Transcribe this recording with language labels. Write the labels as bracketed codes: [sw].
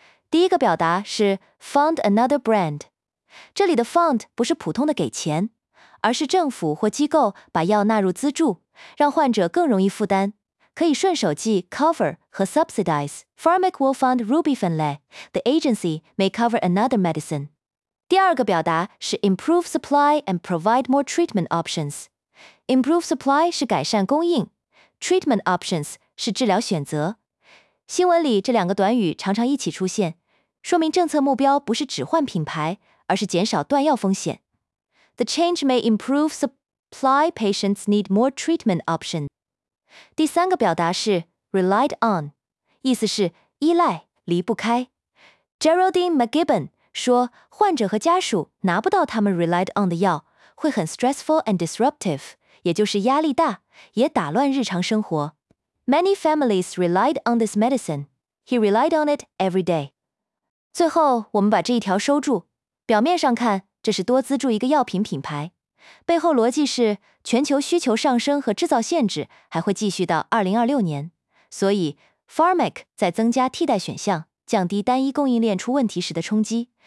[zh] 第一个表达是 [en] Fund another brand， [zh] 这里的 Fund 不是普通的给钱，而是政府或机构把药纳入资助，让患者更容易负担，可以顺手记 cover 和 subsidize。 [en] Pharmac will fund Rubifen-Alai， The agency may cover another medicine。 [zh] 第二个表达是 [en] improve supply and provide more treatment options。 improve supply [zh] 是改善供应， [en] treatment options [zh] 是治疗选择。新闻里这两个短语常常一起出现，说明政策目标不是只换品牌，而是减少断药风险。 [en] The change may improve supply, patients need more treatment options。 [zh] 第三个表达是 [en] relied on， [zh] 意思是依赖，离不开。 Geraldine McGibbon 说，患者和家属拿不到他们 [en] relied on [zh] 的药会很 [en] stressful and disruptive， [zh] 也就是压力大，也打乱日常生活。 [en] Many families relied on this medicine， He relied on it every day。 [zh] 最后我们把这一条收住，表面上看这是多资助一个药品品牌，背后逻辑是全球需求上升和制造限制还会继续到2026年，所以 Pharmac 在增加替代选项，降低单一供应链出问题时的冲击。